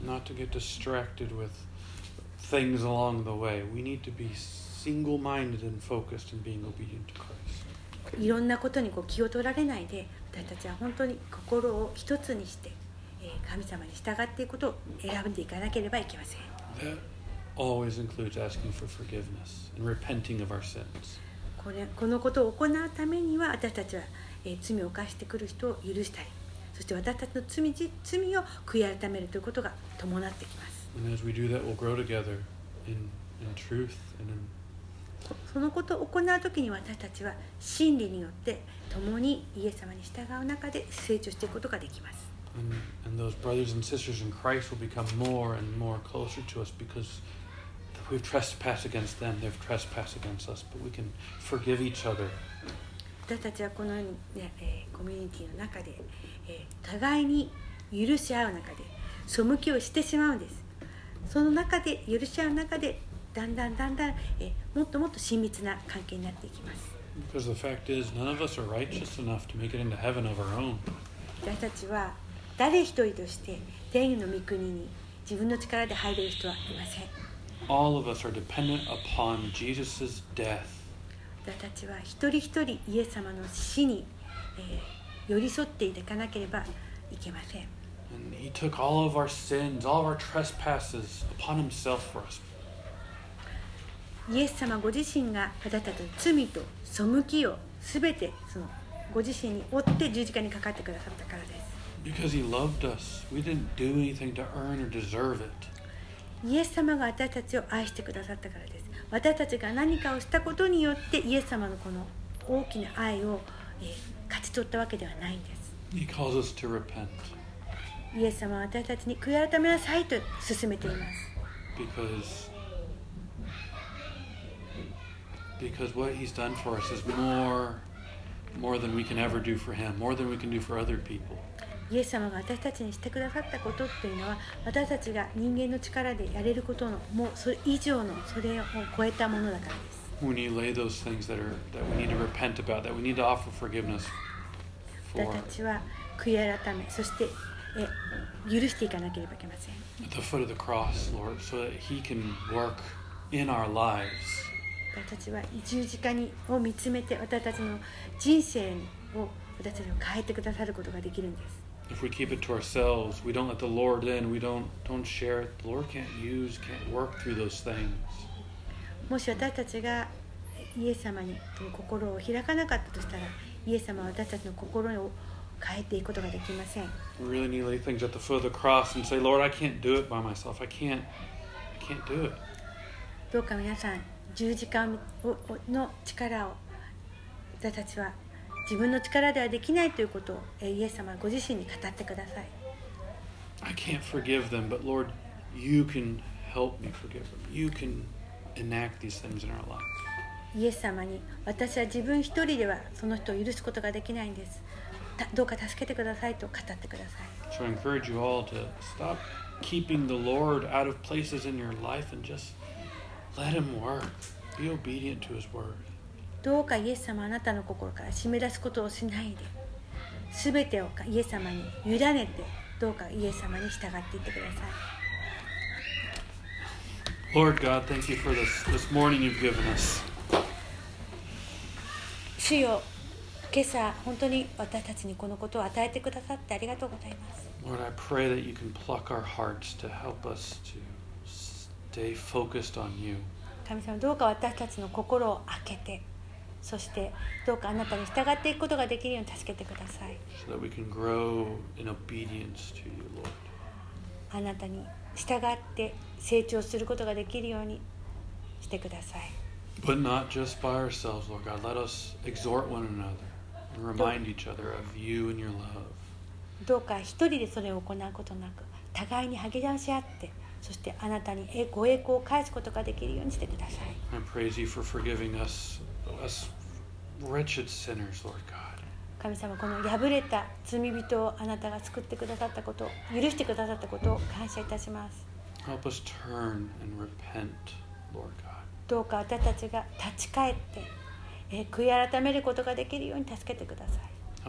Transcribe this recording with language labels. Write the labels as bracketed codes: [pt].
[en] Not to get distracted with things along the way. We need to be single-minded and focused in being obedient to Christ. [ja] いろんなことにこう気を取られないで、私たちは本当に心を一つにして、神様に従っていくことを選んでいかなければいけません。 [en] Always includes asking for forgiveness and repenting of our sins. [ja] このことを行うためには私たちは、罪を犯してくる人を許したり、そして私たちの罪を悔い改めるということが伴ってきます。 [en] And as we do that, we'll grow together in truth and in. [ja] そのことを行うときに私たちは真理によって共にイエス様に従う中で成長していくことができます。 [en] And those brothers and sisters in Christ will become more and more closer to us because we've trespassed against them, they've trespassed against us, but we can forgive each other. [ja] 私たちはこのように、コミュニティの中で、互いに許し合う中で背きをしてしまうんです。その中で許し合う中でだんだんだんだん、もっともっと親密な関係になっていきます。 [en] Because the fact is, none of us are righteous enough to make it into heaven of our own. [ja] 私たちは誰一人として天の御国に自分の力で入れる人はいません。 [en] All of us are dependent upon Jesus' death. [ja] 私たちは一人一人イエス様の死に、寄り添っていかなければいけません。 [en] And he took all of our sins, all of our trespasses upon himself for us. [ja] イエス様ご自身が私たちの罪と背きをすべてそのご自身に負って十字架にかかってくださったからです。 [en] Because he loved us, we didn't do anything to earn or deserve it. [ja] イエス様が私たちを愛してくださったからです。私たちが何かをしたことによってイエス様のこの大きな愛を、勝ち取ったわけではないんです。 [en] He calls us to repent. [ja] イエス様は私たちに悔い改めなさいと勧めています。 [en] Because what he's done for us is more than we can ever do for him, more than we can do for other people. [ja] イエス様が私たちにしてくださったことっていうのは、私たちが人間の力でやれることのもうそれ以上のそれを超えたものだからです。 [en] We need to lay those things that we need to repent about, that we need to offer forgiveness for. [ja] 私たちは悔い改め、そして許していかなければいけません。 [en] At the foot of the cross, Lord, so that He can work in our lives. [ja] 私たちは十字架にを見つめて、私たちの人生を私たちを変えてくださることができるんです。 [en] If we keep it to ourselves, we don't let the Lord in, we don't share it, the Lord can't use, can't work through those things. [ja] もし私たちがイエス様に心を開かなかったとしたら、イエス様は私たちの心を変えていくことができません。 [en] We really need to lay things at the foot of the cross and say, Lord, I can't do it by myself. I can't do it. [ja] どうか皆さん、十字架の力を私たちは自分の力ではできないということをイエス様ご自身に語ってください。 [en] I can't forgive them, but Lord, you can help me forgive them. You can enact these things in our lives. [ja] イエス様に、私は自分一人ではその人を許すことができないんです、どうか助けてくださいと語ってください。 [en] So I encourage you all to stop keeping the Lord out of places in your life and just let him work. Be obedient to his word. [ja] どうかイエス様はあなたの心から締め出すことをしないで、すべてをイエス様に委ねて、どうかイエス様に従っていってください。 [en] Lord God, thank you for this morning you've given us. [ja] 主よ、今朝本当に私たちにこのことを与えてくださってありがとうございます。 [en] Lord, I pray that you can pluck our hearts to help us to stay focused on you. [ja] 神様、どうか私たちの心を開けて、そしてどうかあなたに従っていくことができるように助けてください。 [en] So that we can grow in obedience to you, Lord. [ja] あなたに従って成長することができるようにしてください。 [en] But not just by ourselves, Lord God. Let us exhort one another and remind each other of you and your love. [ja] どうか一人でそれを行うことなく、互いに励まし合って、そしてあなたにご栄光を返すことができるようにしてください。 [en] I praise you for forgiving us wretched sinners, Lord God. [ja] 神様、この破れた罪人をあなたが救ってくださったこと、許してくださったことを感謝いたします。 [en] Help us turn and repent, Lord God. [ja] どうか私たちが立ち返って、悔い改めることができるように助けてください。